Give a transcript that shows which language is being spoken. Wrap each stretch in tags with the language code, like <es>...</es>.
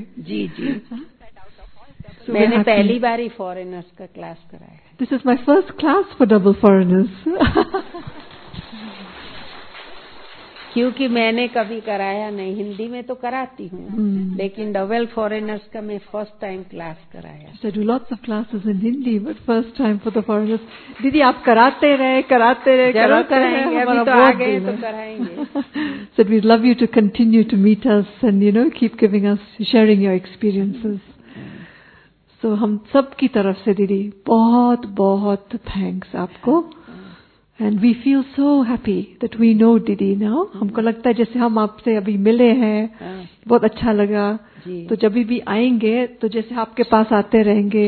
<hi>जी जी, मैंने पहली बार ही फॉरेनर्स का क्लास कराया।</hi> <en>this is my first class for double foreigners,</en> <hi>क्योंकि मैंने कभी कराया नहीं, हिंदी में तो कराती हूँ लेकिन डबल फॉरेनर्स का मैं फर्स्ट टाइम क्लास कराया।</hi> <en>So I do lots of classes in Hindi, but first time for the foreigners.</en> <hi>दीदी आप कराते रहे, जरूर कराएंगे, अभी तो आ गए तो कराएंगे।</hi> <en>So we'd love you to continue to meet us and you know keep giving us sharing your experiences.</en> <hi>तो हम सब की तरफ से दीदी बहुत बहुत थैंक्स आपको,</hi> <en>And we feel so happy that we know दीदी now.</en> <hi>हमको लगता है जैसे हम आपसे अभी मिले हैं, बहुत अच्छा लगा जी। तो जब भी आएंगे तो जैसे आपके पास आते रहेंगे।</hi>